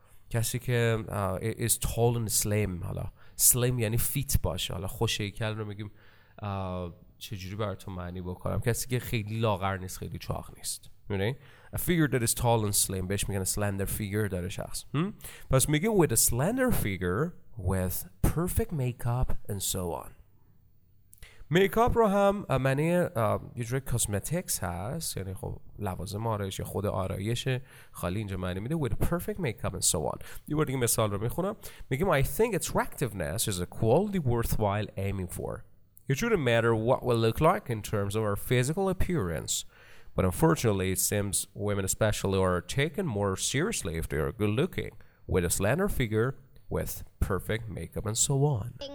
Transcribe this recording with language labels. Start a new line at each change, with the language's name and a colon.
Persian: کسی که
English: is tall and slim،
Persian: حالا slim یعنی fit باشه، حالا خوش هیکل رو میگیم چجوری براتون معنی بکنم، کسی که خیلی لاغر نیست، خیلی چاق نیست. میدونی؟
English: A figure that is tall and slim.
Persian: بهش میگن slender figure داره شخص. پس میگه
English: with a slender figure with perfect makeup and so on.
Persian: میکاپ رو هم معنی یه جوری cosmetics هست، یعنی خب لوازم آرایش یا خود آرایش، خالی اینجا معنی میده
English: with perfect makeup and so on.
Persian: یه بار دیگه مثال رو میخونم. میگم
English: I think attractiveness is a quality worthwhile aiming for. It shouldn't matter what we look like in terms of our physical appearance, but unfortunately, it seems women especially are taken more seriously if they are good looking, with a slender figure, with perfect makeup, and so on.